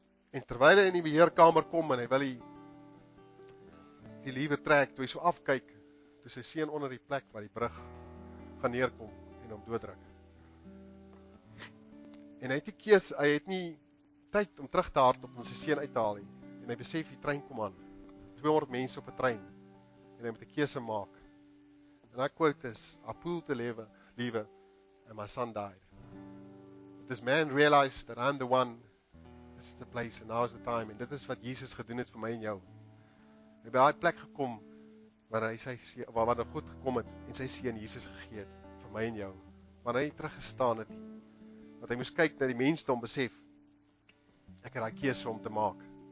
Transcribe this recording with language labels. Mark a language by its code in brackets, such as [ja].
[af] En terwyl hy in die beheerkamer kom, en hy wil die liewer trek, toe hy so afkyk, toe sy seun onder die plek waar die brug gaan neerkom, en hom dooddruk. En hy het die keus, hy het nie tyd om terug te hardloop om sy seun uit te haal nie. En hy besef die trein kom aan. 200 mense op 'n trein. En hy moet 'n keuse maak. En hy quote is, [en] I pulled the lever and my son died. This man realized that I'm the one, this is the place and now is the time. [af] En dit is wat Jesus gedoen het vir my en jou. Hy by daai plek gekom waar God gekom het en sy seun Jesus gegee het vir my. my en jou. Wanneer hy teruggestaan het, wat hy moes kyk na die mense om besef, ek het daai keuse om te maak.